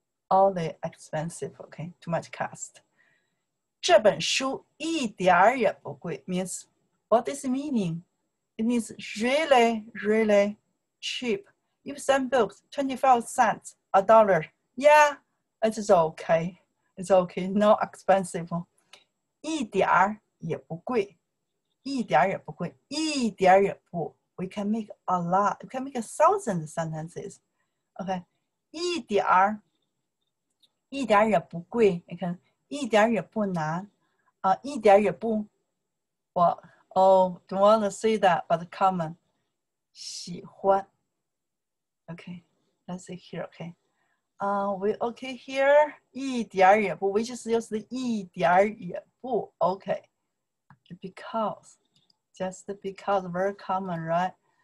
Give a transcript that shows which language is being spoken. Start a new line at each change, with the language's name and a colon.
English: All the expensive, okay. Too much cost.
Chinese: 这本书一点儿也不贵
English: means, what is the meaning? It means really, really cheap. If some books, 25 cents, a dollar, yeah, it's okay. It's okay, not expensive.
Chinese: 一点儿也不贵。一点儿也不贵，一点儿也不。
English: We can make a lot. We can make a thousand sentences.
Chinese: Okay, 一点儿，一点儿也不贵。你看，一点儿也不难，啊，一点儿也不。
English: 我 don't want to say that, but common. 喜欢。Okay, let's see here. Okay, we okay here.
Chinese: 一点儿也不。
English: We just use the
Chinese: 一点儿也不。
English: Okay. Because, just because, very common, right?